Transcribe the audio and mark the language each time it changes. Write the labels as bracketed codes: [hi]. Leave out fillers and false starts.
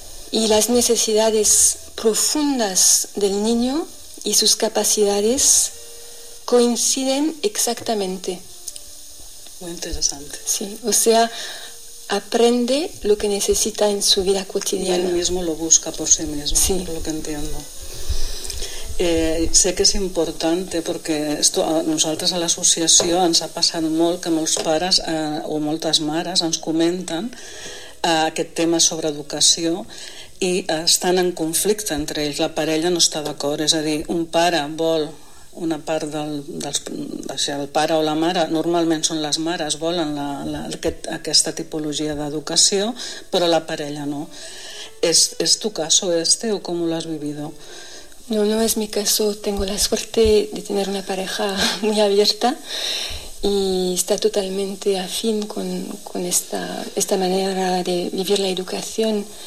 [es] Y las necesidades profundas del niño y sus capacidades coinciden exactamente. Muy interesante. Sí, o sea, aprende lo que necesita en su vida cotidiana. Y él mismo lo busca por sí mismo, sí. Por lo que entiendo. [ca] Sé que és important perquè esto, a nosaltres a l'associació ens ha passat molt que molts pares o moltes mares ens comenten aquest tema sobre educació i estan en conflicte entre ells, la parella no està d'acord, és a dir, un pare vol una part el pare o la mare, normalment són les mares, volen aquesta tipologia d'educació, però la parella no. [es] ¿Es tu caso este o cómo lo has vivido? No es mi caso. Tengo la suerte de tener una pareja muy abierta y está totalmente afín con esta manera de vivir la educación.